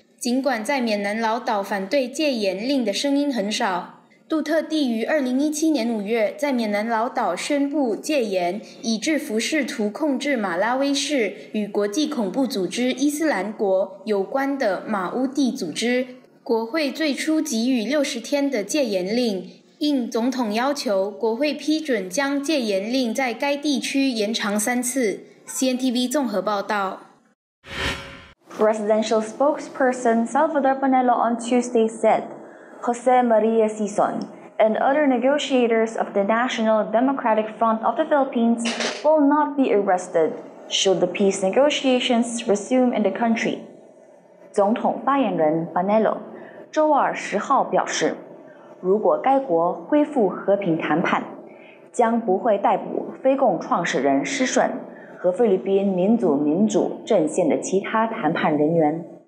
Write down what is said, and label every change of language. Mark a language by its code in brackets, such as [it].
[zh] 尽管在缅南老岛反对戒严令的声音很少，杜特地于2017年5月在缅南老岛宣布戒严，以制服试图控制马拉威市与国际恐怖组织伊斯兰国有关的马乌地组织。国会最初给予60天的戒严令，应总统要求，国会批准将戒严令在该地区延长3次。 CNTV 综合报道。 [en] Presidential spokesperson Salvador Bonello on Tuesday said,José María Sison and other negotiators of the National Democratic Front of the Philippines will not be arrested should the peace negotiations resume in the country. [zh] 总统发言人 Bonello 周二十号表示，如果该国恢复和平谈判，将不会逮捕非共创始人施顺和菲律宾民主民主阵线的其他谈判人员。